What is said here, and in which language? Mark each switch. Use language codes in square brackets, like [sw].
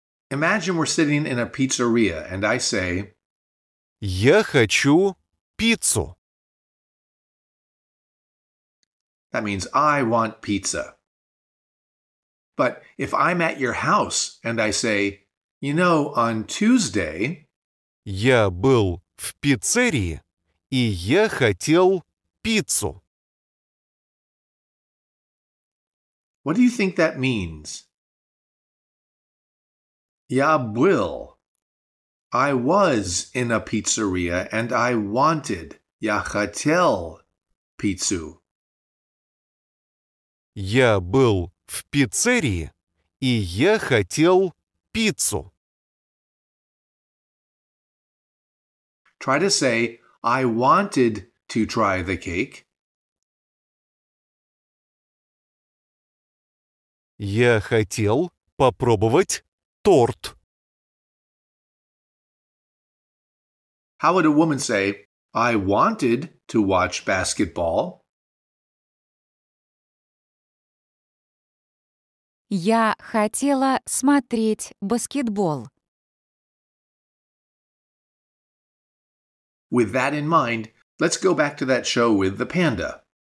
[en] Imagine we're sitting in a pizzeria and I say, [ru] Я хочу пиццу. [en] That means I want pizza. But if I'm at your house and I say, you know, on Tuesday, [ru] Я был в пиццерии, и я хотел пиццу. [en] What do you think that means? [ru] Я был. [en] I was in a pizzeria and I wanted, [ru] я хотел пиццу. Я был в пиццерии, и я хотел пиццу. [en] Try to say, I wanted to try the cake. [ru] Я хотел попробовать торт. [en] How would a woman say, I wanted to watch basketball? [ru] Я хотела смотреть баскетбол. [en] With that in mind, let's go back to that show with the panda.